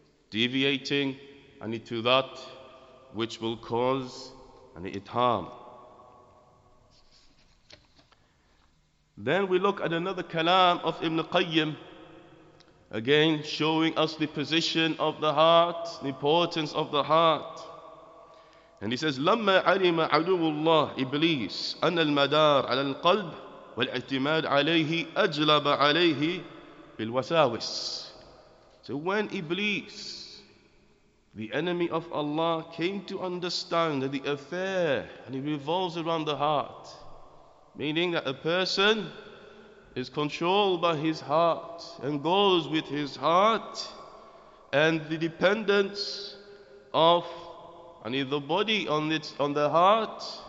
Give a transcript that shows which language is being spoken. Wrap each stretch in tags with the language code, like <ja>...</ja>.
<en>Deviating to that which will cause it harm. Then we look at another kalam of Ibn Qayyim, again, showing us the position of the heart, the importance of the heart. And he says,</en> <ar>لما علم عدو الله إبليس أن المدار على القلب والاعتماد عليه أجلب عليه بالوساوس.</ar> <en>So when Iblis, the enemy of Allah, came to understand that the affair and it revolves around the heart, meaning that a person is controlled by his heart and goes with his heart, and the dependence of the body on the heart</en>